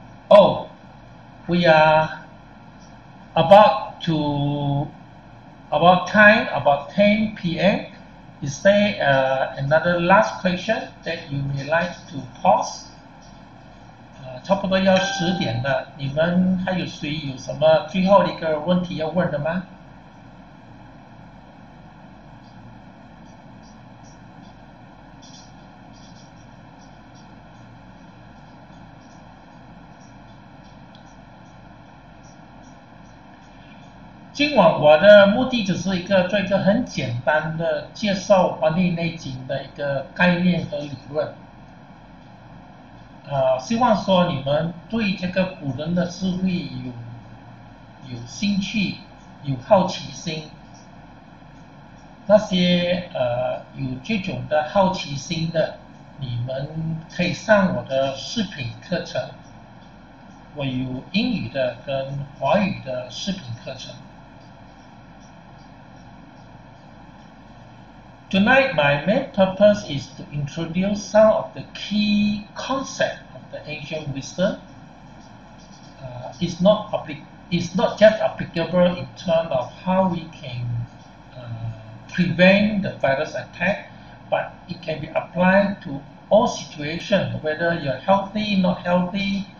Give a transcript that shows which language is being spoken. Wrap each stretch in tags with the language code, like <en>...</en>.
<en>Oh, we are about 10 p.m. Is there another last question that you would like to pause?</en> <zh>差不多要10点了，你们还有谁有什么最后一个问题要问的吗？今晚我的目的只是一个做一个很简单的介绍黄帝内经的一个概念和理论，希望说你们对这个古人的智慧有兴趣，有好奇心。那些有这种的好奇心的，你们可以上我的视频课程，我有英语的跟华语的视频课程。</zh> <en>Tonight, my main purpose is to introduce some of the key concepts of the ancient wisdom. It's not just applicable in terms of how we can prevent the virus attack, but it can be applied to all situations, whether you're healthy, not healthy.</en>